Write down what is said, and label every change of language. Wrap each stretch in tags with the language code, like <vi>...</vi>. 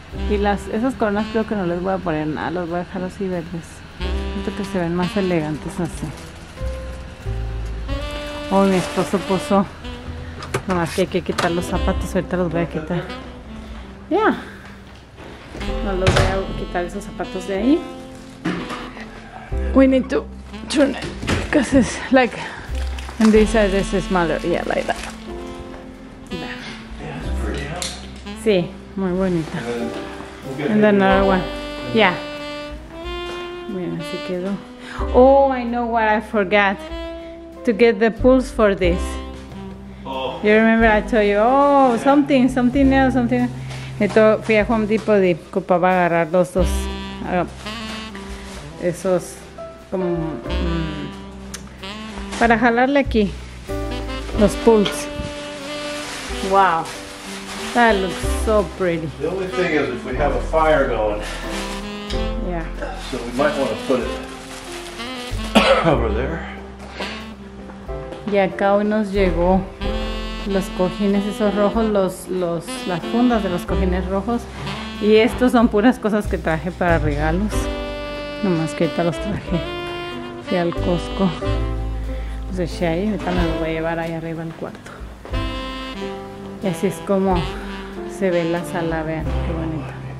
<es>Y esas coronas creo que no les voy a poner nada, los voy a dejar así verdes. Siento que se ven más elegantes así. Oh, mi esposo puso, nomás que hay que quitar los zapatos, ahorita los voy a quitar. Ya. Yeah. No los voy a quitar esos zapatos de ahí.</es> <en>We need to turn it because it's like on this side, this is smaller. Yeah, like that. Yeah, it's pretty, huh?</en> <es>Sí, muy bonita.</es> <en>And then another one. Yeah.</en> <es>Mira, así quedó.</es> <en>Oh, I know what I forgot. To get the pulse for this. Oh. You remember I told you, oh, yeah. something else.</en> <es>Entonces fui a Home Depot y ocupaba agarrar los dos, esos, como, para jalarle aquí, los pulls.</es> <en>Wow, that looks so pretty. The only thing is if we have a fire going. Yeah. So we might want to put it over there.</en> <es>Y acá hoy nos llegó. Los cojines esos rojos, las fundas de los cojines rojos. Y estos son puras cosas que traje para regalos. Nomás que ahorita los traje. Fui al Costco. Los eché ahí. Ahorita me los voy a llevar ahí arriba al cuarto. Y así es como se ve la sala. Vean qué bonita.</es>